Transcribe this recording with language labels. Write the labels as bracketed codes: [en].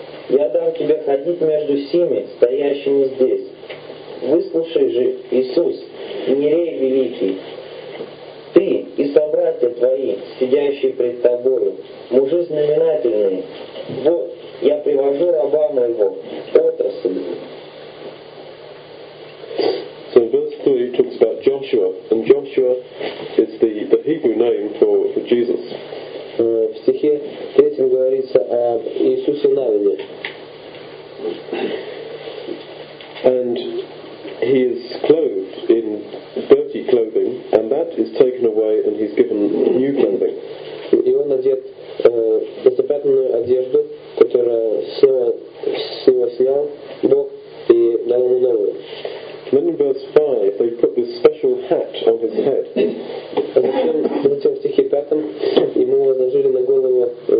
[ru] Я дам тебе ходить между сими, стоящими здесь. Выслушай же, Иисус, Иерей Великий, ты и собратья твои, сидящие пред тобою, мужи знаменательные, вот я привожу раба моего, отрасль». [en] So in verse 3 it talks about Joshua, and Joshua is the Hebrew name for Jesus. [ru] В стихе 3 говорится о Иисусе Навине. [en] And he is clothed in dirty clothing, and that is taken away, and he's given new clothing. [ru] И он одет запятнанную одежду, которую снова снял Бог и дал ему новую. [en] Then in verse 5, they put this special hat on his head. [ru] Затем в стихе 5 ему возложили на голову